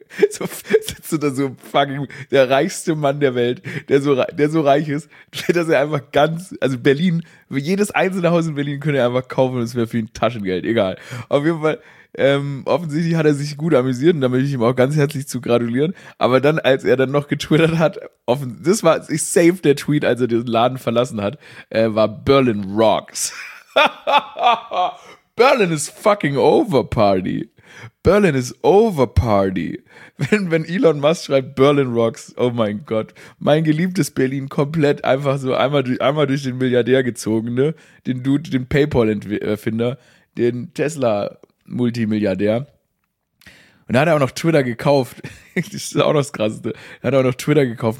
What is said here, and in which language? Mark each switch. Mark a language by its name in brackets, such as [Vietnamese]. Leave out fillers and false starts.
[German] So sitzt du da so fucking der reichste Mann der Welt, der so reich ist, dass er einfach ganz, also Berlin, jedes einzelne Haus in Berlin könnte er einfach kaufen und es wäre für ihn Taschengeld, egal. Auf jeden Fall offensichtlich hat er sich gut amüsiert und da möchte ich ihm auch ganz herzlich zu gratulieren. Aber dann, als er dann noch getwittert hat, das war, ich save der Tweet, als er den Laden verlassen hat, war [English] Berlin rocks. Berlin is fucking over, Party. Berlin is over, Party. [German] Wenn Elon Musk schreibt [English] Berlin rocks, [German] oh mein Gott. Mein geliebtes Berlin, komplett einfach so einmal durch den Milliardär gezogen, ne? Den Dude, den PayPal-Erfinder, den Tesla Multimilliardär. Und da hat er auch noch Twitter gekauft. Das ist auch noch das Krasseste. Da hat er auch noch Twitter gekauft.